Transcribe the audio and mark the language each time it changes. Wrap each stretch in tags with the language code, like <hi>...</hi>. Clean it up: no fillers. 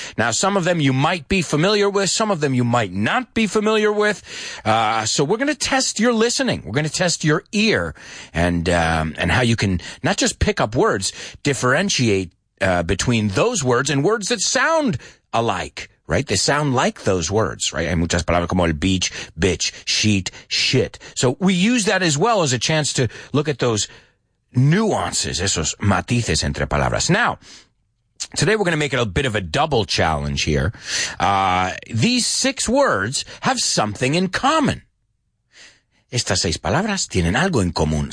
<en>Now, some of them you might be familiar with, some of them you might not be familiar with. So we're going to test your listening. We're going to test your ear and how you can not just pick up words, differentiate between those words and words that sound alike, right? They sound like those words, right?</en> <es>Hay muchas palabras como el beach, bitch, sheet, shit.</es> <en>So we use that as well as a chance to look at those nuances, esos matices entre palabras. Now, today we're going to make it a bit of a double challenge here. These six words have something in common. Estas seis palabras tienen algo en común.</en>